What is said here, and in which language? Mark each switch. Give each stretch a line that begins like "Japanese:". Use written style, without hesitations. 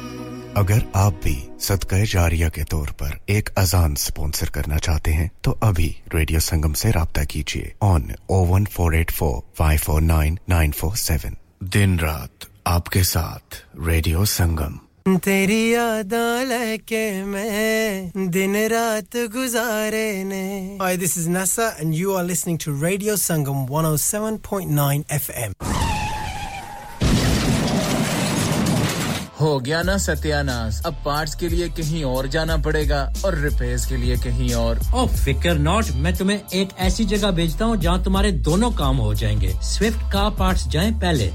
Hindi: जारिया के तौर पर एक अजान स्पॉन्सर करना चाहते हैं तो अभी रेडियो संगम से राब्ता कीजिए ऑन 01484549947 दिन रात आपके साथ रेडियो संगम
Punjabi: तेरी यादा लेके मैं दिन रात गुजारे ने
English: Hi, this is NASA and you are listening to Radio Sangam 107.9 FM
Hindi: हो गया ना सत्यानाश अब पार्ट्स के लिए कहीं और जाना पड़ेगा और रिपेयर्स के लिए कहीं और ओ फिकर नॉट मैं तुम्हें एक ऐसी जगह भेजता हूं जहां तुम्हारे दोनों काम हो जाएंगे स्विफ्ट कार पार्ट्स जाएं पहले